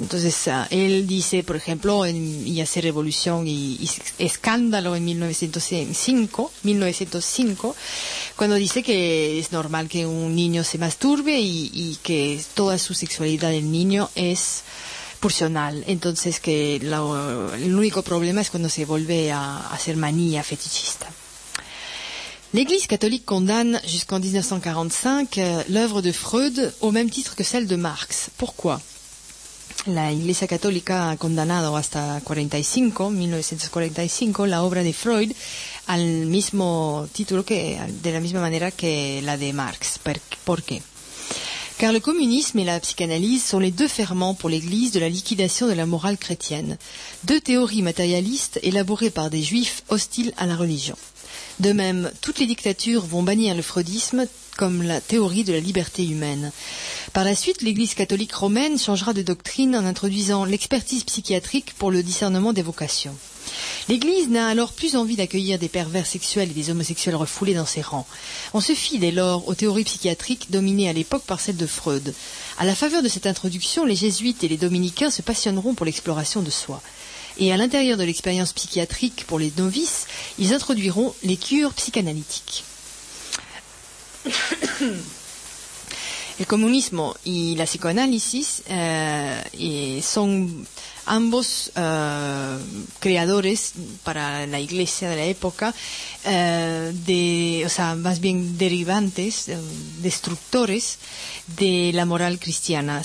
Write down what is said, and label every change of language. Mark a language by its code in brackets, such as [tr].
[es] Entonces, él dice, por ejemplo, y hace revolución y escándalo en 1905, cuando dice que es normal que un niño se masturbe y que toda su sexualidad del niño es pulsional. Entonces, que el único problema es cuando se vuelve a hacer manía fetichista. [fr] L'Église catholique condamne jusqu'en 1945 l'œuvre de Freud au même titre que celle de Marx. Pourquoi ? [es] La Iglesia Católica ha condenado hasta 1945 la obra de Freud al mismo título que de la misma manera que la de Marx. ¿Por qué? [fr] Car le communisme et la psychanalyse sont les deux ferments pour l'Église de la liquidation de la morale chrétienne, deux théories matérialistes élaborées par des juifs hostiles à la religion. De même, toutes les dictatures vont bannir le freudisme comme la théorie de la liberté humaine. Par la suite, l'Église catholique romaine changera de doctrine en introduisant l'expertise psychiatrique pour le discernement des vocations. L'Église n'a alors plus envie d'accueillir des pervers sexuels et des homosexuels refoulés dans ses rangs. On se fie dès lors aux théories psychiatriques dominées à l'époque par celle de Freud. À la faveur de cette introduction, les jésuites et les dominicains se passionneront pour l'exploration de soi. Et à l'intérieur de l'expérience psychiatrique pour les novices, ils introduiront les cures psychanalytiques. [es] El comunismo y la psicoanálisis son ambos creadores para la iglesia de la época, más bien derivantes, destructores de la moral cristiana.